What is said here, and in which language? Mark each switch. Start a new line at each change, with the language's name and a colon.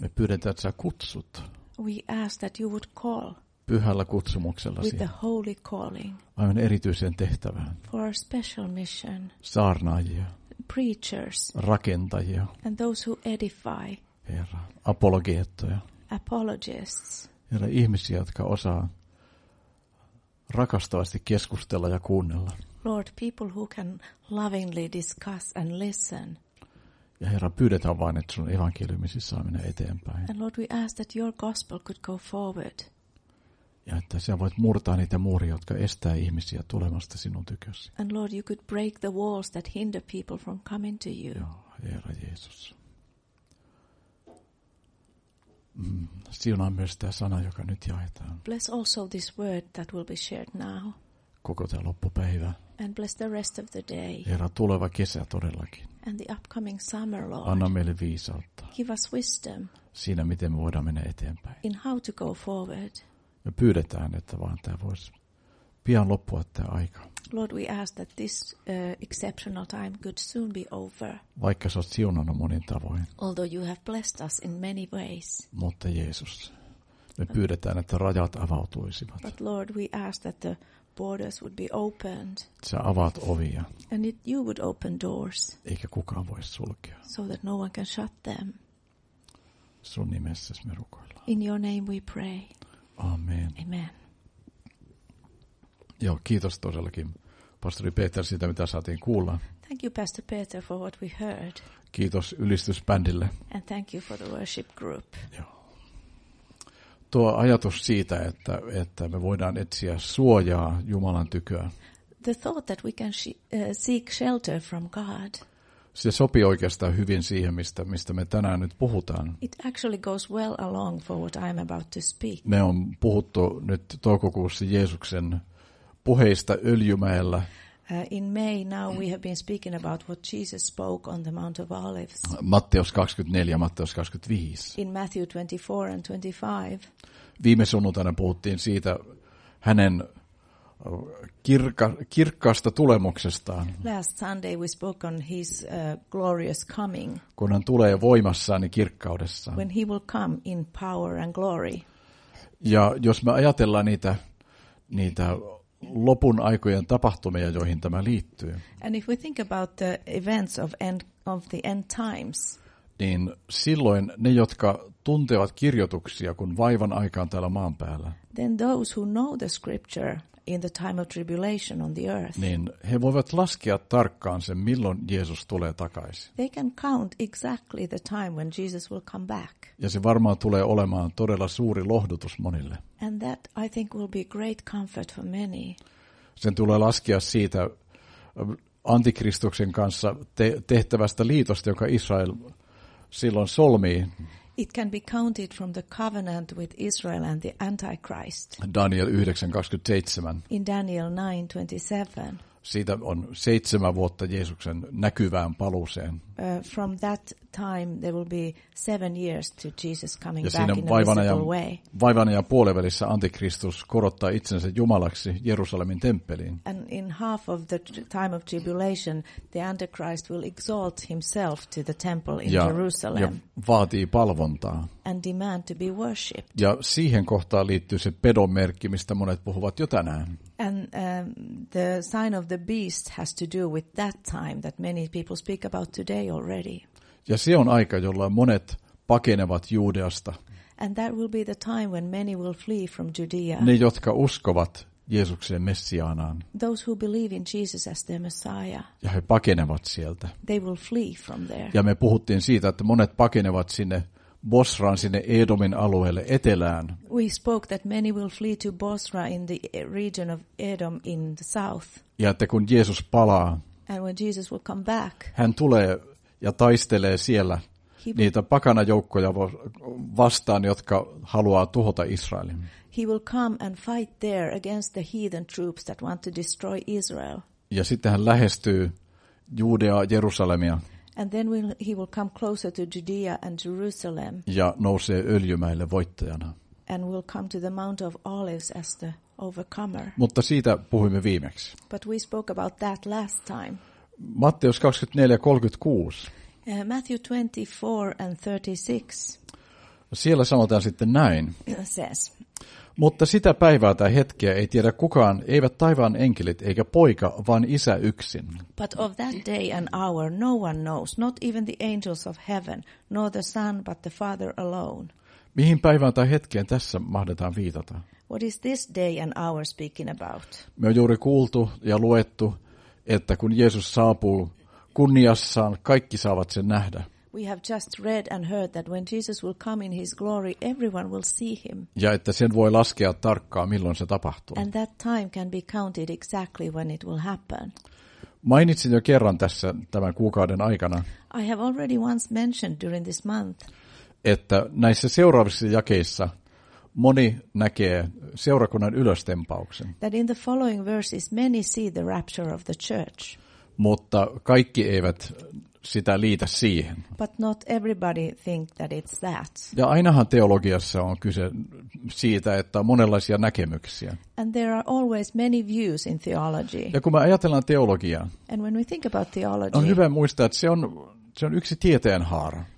Finnish: Me pyydetään, että sä kutsut.
English: We ask that you would call.
Finnish: Pyhällä kutsumuksellasi.
English: With the holy calling.
Finnish: Aivan erityiseen tehtävään.
English: For a special mission.
Finnish: Saarnaajia.
English: Preachers.
Finnish: Rakentajia.
English: And those who edify.
Finnish: Herra, apologeettoja.
English: Apologists.
Finnish: Herra, ihmisiä, jotka osaa rakastavasti keskustella ja kuunnella.
English: Lord, people who can lovingly discuss and listen.
Finnish: Ja Herra, pyydetään vain, että sun evankeliumisi saa mennä eteenpäin.
English: And Lord, we ask that your gospel could go forward.
Finnish: Ja että sä voit murtaa niitä muuria, jotka estää ihmisiä tulemasta sinun tykösi.
English: And Lord, you could break the walls that hinder people from coming to you.
Finnish: Joo, Herra Jeesus. Siunaa myös tämä sana, joka nyt jaetaan.
English: Bless also this word that will be shared now.
Finnish: Koko tämä loppupäivä.
English: And bless the rest of the day.
Finnish: Herra, tuleva kesä todellakin.
English: And the upcoming summer, Lord.
Finnish: Anna meille viisautta.
English: Give us wisdom.
Finnish: Siinä, miten me voidaan mennä eteenpäin.
English: In how to go forward.
Finnish: Ja pyydetään, että vaan tämä voisi pian loppua tämä aika.
English: Lord, we ask that this exceptional time could soon be over.
Finnish: Vaikka sä oot siunannut monin tavoin.
English: Although you have blessed us in many ways.
Finnish: Mutta Jeesus, me pyydetään, että rajat avautuisivat.
English: But Lord, we ask that the borders would be opened.
Finnish: Sä avaat ovia.
English: And you would open doors.
Finnish: Eikä kukaan voi sulkea.
English: So that no one can shut them.
Finnish: Sun nimessäsi me rukoillaan.
English: In your name we pray.
Finnish: Amen.
English: Amen.
Finnish: Joo, kiitos todellakin, pastori Peter, siitä, mitä saatiin kuulla.
English: Thank you, Pastor Peter, for what we heard.
Finnish: Kiitos ylistysbändille.
English: And thank you for the worship group.
Finnish: Joo. Tuo ajatus siitä, että me voidaan etsiä suojaa Jumalan tyköä.
English: The thought that we can seek shelter from God.
Finnish: Se sopii oikeastaan hyvin siihen, mistä me tänään nyt puhutaan.
English: It actually goes well along for what I'm about to speak.
Finnish: Me on puhuttu nyt toukokuussa Jeesuksen puheista Öljymäellä.
English: In May now we have been speaking about what Jesus spoke on the Mount of Olives.
Finnish: Matteus 24, Matteus 25.
English: In Matthew 24 and 25.
Finnish: Viime sunnuntaina puhuttiin siitä hänen kirkkaasta tulemuksestaan.
English: Last Sunday we spoke on his glorious coming.
Finnish: Kun hän tulee voimassaan ja kirkkaudessaan.
English: When he will come in power and glory.
Finnish: Ja jos me ajatellaan niitä lopun aikojen tapahtumia, joihin tämä liittyy.
English: And if we think about the events of the end times.
Finnish: Niin silloin ne, jotka tuntevat kirjoituksia, kun vaivan aika on täällä maan päällä.
English: Then those who know the scripture in the time of tribulation on the earth.
Finnish: Niin he voivat laskea tarkkaan sen, milloin Jeesus tulee takaisin.
English: They can count exactly the time when Jesus will come back.
Finnish: Ja se varmaan tulee olemaan todella suuri lohdutus monille.
English: And that I think will be great comfort for many.
Finnish: Sen tulee laskea siitä antikristuksen kanssa tehtävästä liitosta, joka Israel silloin solmii.
English: It can be counted from the covenant with Israel and the Antichrist.
Finnish: Daniel 9:27.
English: In Daniel 9:27.
Finnish: siitä on 7 vuotta Jeesuksen näkyvään paluuseen.
English: From that time there will be 7 years to Jesus coming back in a visible way.
Finnish: Vaivan ajan puolivälissä antikristus korottaa itsensä jumalaksi Jerusalemin temppeliin.
English: And in half of the time of tribulation the antichrist will exalt himself to the temple in Jerusalem.
Finnish: Ja vaatii palvontaa.
English: And demand to be worshipped.
Finnish: Ja siihen kohtaan liittyy se pedon merkki, mistä monet puhuvat jo tänään.
English: And the sign of the beast has to do with that time that many people speak about today already.
Finnish: Ja se on aika, jolloin monet pakenevat Juudeasta.
English: And that will be the time when many will flee from Judea.
Finnish: Ne, jotka uskovat Jeesukseen Messiaanaan.
English: Those who believe in Jesus as their Messiah.
Finnish: Ja he pakenevat sieltä.
English: They will flee from there.
Finnish: Ja me puhuttiin siitä, että monet pakenevat sinne Bosraan, sinne Edomin alueelle etelään.
English: We spoke that many will flee to Bosra in the region of Edom in the south.
Finnish: Ja että kun Jeesus palaa,
English: and when Jesus will come back,
Finnish: hän tulee ja taistelee siellä niitä pakanajoukkoja vastaan, jotka haluaa tuhota Israelin.
English: He will come and fight there against the heathen troops that want to destroy Israel.
Finnish: Ja sitten hän lähestyy Juudeaa, Jerusalemia.
English: And then he will come closer to Judea and Jerusalem.
Finnish: Ja nousee Öljymäelle voittajana.
English: And will come to the Mount of Olives as the overcomer.
Finnish: Mutta siitä puhuimme viimeksi.
English: But we spoke about that last time.
Finnish: Matteus 24:36.
English: Matthew 24:36.
Finnish: Siellä sanotaan sitten näin.
English: Says.
Finnish: Mutta sitä päivää tai hetkeä ei tiedä kukaan, eivät taivaan enkelit eikä poika, vaan isä yksin.
English: But of that day and hour no one knows, not even the angels of heaven, nor the son, but the father alone.
Finnish: Mihin päivään tai hetkeen tässä mahdetaan viitata?
English: What is this day and hour speaking about?
Finnish: Me on juuri kuultu ja luettu, että kun Jeesus saapuu kunniassaan, kaikki saavat sen nähdä.
English: We have just read and heard that when Jesus will come in his glory, everyone will see him.
Finnish: Ja että sen voi laskea tarkkaan, milloin se tapahtuu.
English: And that time can be counted exactly when it will happen.
Finnish: Mainitsin jo kerran tässä tämän kuukauden aikana.
English: I have already once mentioned during this month.
Finnish: Että näissä seuraavissa jakeissa moni näkee seurakunnan ylöstempauksen.
English: That in the following verses many see the rapture of the church.
Finnish: Mutta kaikki eivät sitä liitä siihen.
English: But not everybody think that it's that.
Finnish: Ja ainahan teologiassa on kyse siitä, että on monenlaisia näkemyksiä.
English: And there are always many views in theology.
Finnish: Ja kun me ajatellaan teologiaa,
English: and when we think about theology,
Finnish: on hyvä muistaa, että se on yksi tieteenhaara.